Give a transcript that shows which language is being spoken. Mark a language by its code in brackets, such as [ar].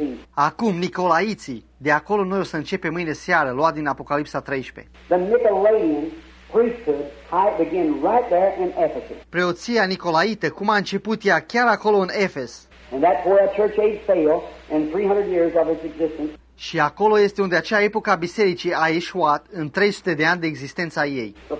[ro] Acum, Nicolaiții, de acolo noi o să începem mâine seară, luat din Apocalipsa 13. [en] The Nicolaitan priesthood began right there in Ephesus. [ro] Preoția nicolaită, cum a început ea chiar acolo în Efes. [en] And that's where a church age failed in 300 years of its existence. [ro] Și acolo este unde acea epocă a bisericii a eșuat în 300 de ani de existența ei.